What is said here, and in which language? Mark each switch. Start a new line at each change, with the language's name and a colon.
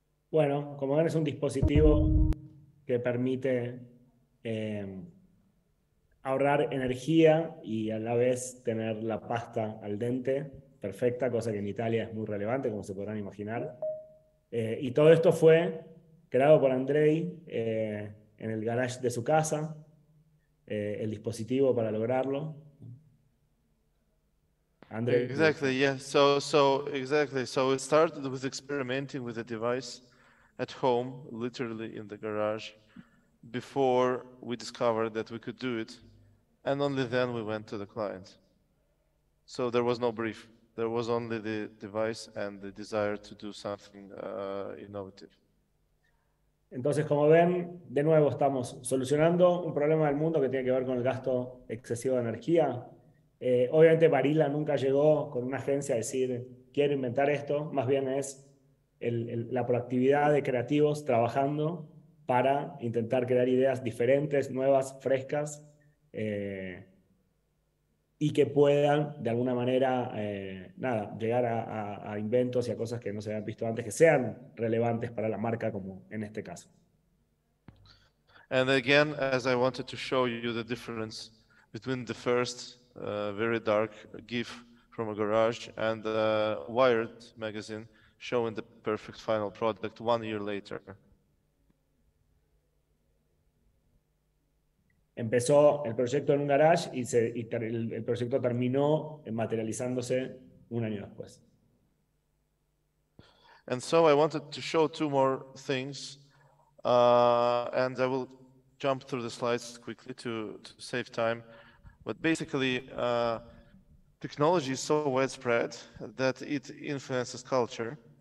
Spanish: Bueno, como ven, es un dispositivo que permite ahorrar energía y a la vez tener la pasta al dente perfecta, cosa que en Italia es muy relevante, como se podrán imaginar. Y todo esto fue creado por Andrei en el garage de su casa, el dispositivo para lograrlo.
English: Andrei. Exactly, yeah. So exactly. So it started with experimenting with the device at home, literally in the garage, before we discovered that we could do it. And only then we went to the client. So there was no brief. There was only the device and the desire to do something innovative.
Spanish: Entonces, como ven, de nuevo estamos solucionando un problema del mundo que tiene que ver con el gasto excesivo de energía. Obviamente, Barilla nunca llegó con una agencia a decir, quiero inventar esto, más bien es la proactividad de creativos trabajando para intentar crear ideas diferentes, nuevas, frescas, y que puedan de alguna manera llegar a inventos y a cosas que no se habían visto antes, que sean relevantes para la marca, como en este caso.
English: And again, as I wanted to show you the difference between the first very dark GIF from a garage and the Wired magazine showing the perfect final product 1 year later.
Spanish: Empezó el proyecto en un garage y el proyecto terminó materializándose un año después.
English: And so I wanted to show two more things, and I will jump through the slides quickly to save time. But basically, technology is so widespread that it influences culture.